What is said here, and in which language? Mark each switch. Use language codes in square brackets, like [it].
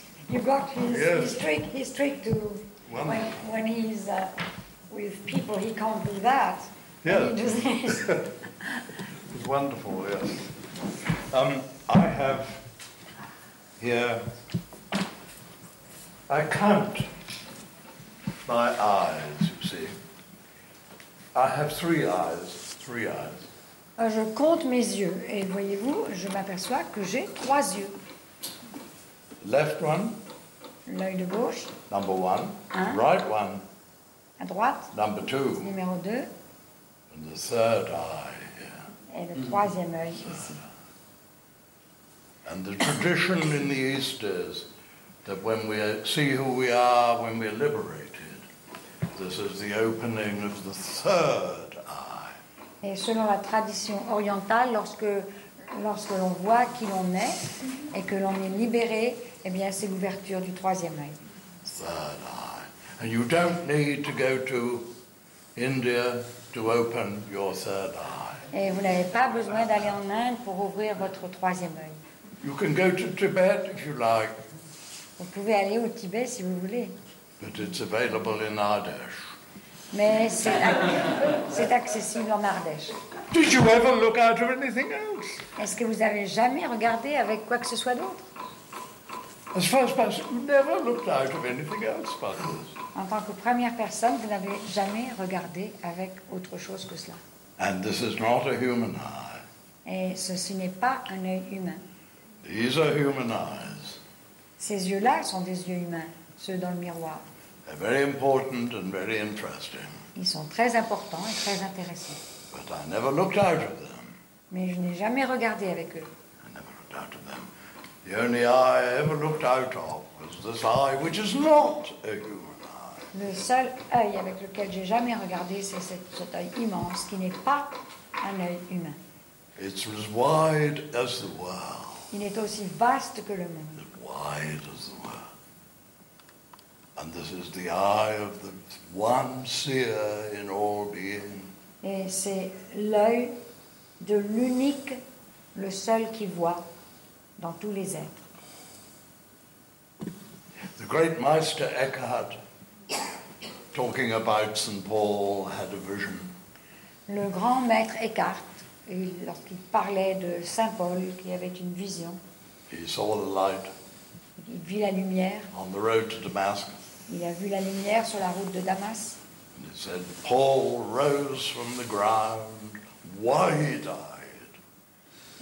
[en] You got his trick to when he's with people, he can't do that. Yeah. He does this. It's wonderful, yes. I have here I count my eyes, you see. I have three eyes. [fr] Je compte mes yeux et voyez-vous, je m'aperçois que j'ai trois yeux. [en] Left one. [fr] L'œil de gauche. [en] Number one. [fr] Un. [en] Right one. [fr] À droite. [en] Number two. [fr] Numéro deux. [en] And the third eye. Yeah. [fr] Et le troisième œil ici. [en] And the tradition in the East is that when we see who we are, when we're liberated, this is the opening of the third. [fr] Et selon la tradition orientale, lorsque l'on voit qui l'on est et que l'on est libéré, eh bien, c'est l'ouverture du troisième œil. [en] Third eye. And you don't need to go to India to open your third eye. [fr] Et vous n'avez pas besoin d'aller en Inde pour ouvrir votre troisième œil. [en] You can go to Tibet if you like. [fr] Vous pouvez aller au Tibet si vous voulez. [en] But it's available in Ardèche. [fr] Mais c'est accessible en Ardèche. [en] Did you ever look out of anything else? [fr] Est-ce que vous avez jamais regardé avec quoi que ce soit d'autre? [en] As far as possible, never looked out of anything else but this. [fr] En tant que première personne, vous n'avez jamais regardé avec autre chose que cela. [en] And this is not a human eye. [fr] Et ceci n'est pas un œil humain. [en] These are human eyes. [fr] Ces yeux-là sont des yeux humains, ceux dans le miroir. [en] They're very important and very interesting. [fr] Ils sont très importants et très intéressants. [en] But I never looked out of them. [fr] Mais je n'ai jamais regardé avec eux. [en] I never looked out of them. The only eye I ever looked out of was this eye, which is not a human eye. [fr] Le seul œil avec lequel j'ai jamais regardé, c'est cet œil immense qui n'est pas un œil humain. [en] It's as wide as the world. [fr] Il est aussi vaste que le monde. [en] As wide as the world. And this is the eye of the one seer in all being. [fr] Et c'est l'œil de l'unique, le seul qui voit dans tous les êtres. [en] The great Meister Eckhart, talking about St. Paul, had a vision. [fr] Le grand maître Eckhart, Et lorsqu'il parlait de Saint Paul qui avait une vision, [en] he saw the light. [fr] Il vit la lumière. [en] On the road to Damascus. [fr] Il a vu la lumière sur la route de Damas. [en] He said, Paul rose from the ground, wide-eyed.